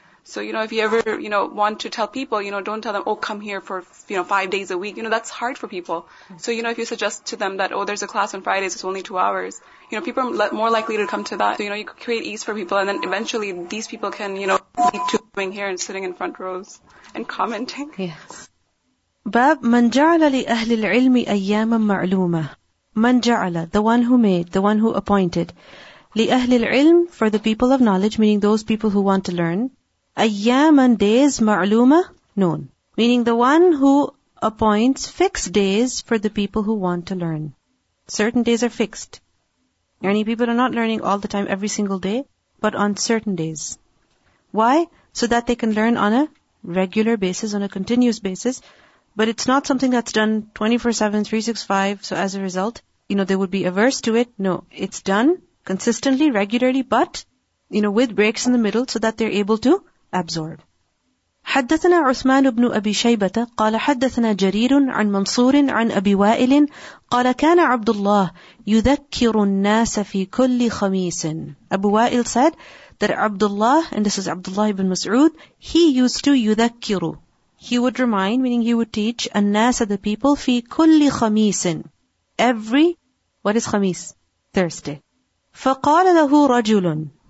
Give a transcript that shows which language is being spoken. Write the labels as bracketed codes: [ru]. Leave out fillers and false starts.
[en] So, you know, if you ever, you know, want to tell people, you know, don't tell them, oh, come here for, you know, 5 days a week. You know, that's hard for people. So, you know, if you suggest to them that, oh, there's a class on Fridays, it's only 2 hours, you know, people are more likely to come to that. So, you know, you create ease for people, and then eventually these people can, you know, lead to coming here and sitting in front rows and commenting. Yes. [ar] باب من جعل لأهل العلم أياما معلومة. من جعل, [en] the one who made, the one who appointed. [ar] لأهل العلم, [en] for the people of knowledge, meaning those people who want to learn. [ar] أياماً, [en] days, [ar] معلومة, [en] known. Meaning the one who appoints fixed days for the people who want to learn. Certain days are fixed. Many people are not learning all the time, every single day, but on certain days. Why? So that they can learn on a regular basis, on a continuous basis. But it's not something that's done 24/7, 365, so as a result, you know, they would be averse to it. No, it's done consistently, regularly, but, you know, with breaks in the middle so that they're able to absorb. [ar] حدثنا عثمان بن أبي شيبة قال حدثنا جرير عن منصور عن أبي وائل قال كان عبد الله يذكر الناس في كل خميس. [en] أبو وائل said that Abdullah, and this is Abdullah ibn Mas'ud, he used to [ar] يذكر. [en] He would remind, meaning he would teach, [ar] الناس, [en] the people, [ar] في كل خميس. [en] Every, what is [ar] خميس? [en] Thursday. [ar] فقال له رجل.